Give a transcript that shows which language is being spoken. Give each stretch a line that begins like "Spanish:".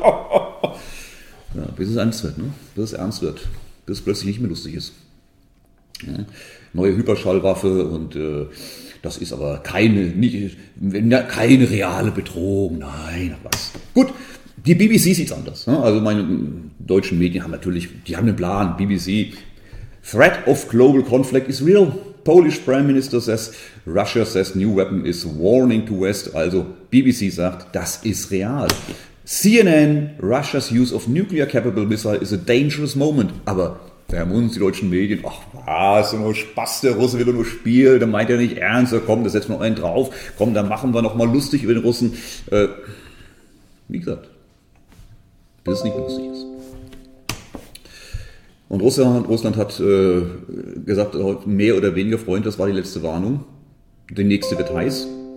German: Ja, bis es ernst wird, ne? Bis es ernst wird, bis es plötzlich nicht mehr lustig ist. Ja? Neue Hyperschallwaffe und das ist aber keine reale Bedrohung, nein, was. Gut. Die BBC sieht's anders. Ne? Also meine deutschen Medien haben natürlich, die haben einen Plan, BBC.
English: Threat of global conflict is real. Polish Prime Minister says, Russia says new weapon is warning to West.
German: Also BBC sagt, das ist real.
English: CNN, Russia's use of nuclear capable missile is a dangerous moment.
German: Aber da haben uns die deutschen Medien, ach was, nur Spaß, der Russe will nur spielen, da meint er nicht ernst, komm, da setzen wir einen drauf, komm, dann machen wir nochmal lustig über den Russen. Wie gesagt, bis es nicht lustig ist. Und Russland hat gesagt, mehr oder weniger, Freunde, das war die letzte Warnung. Der nächste wird heiß.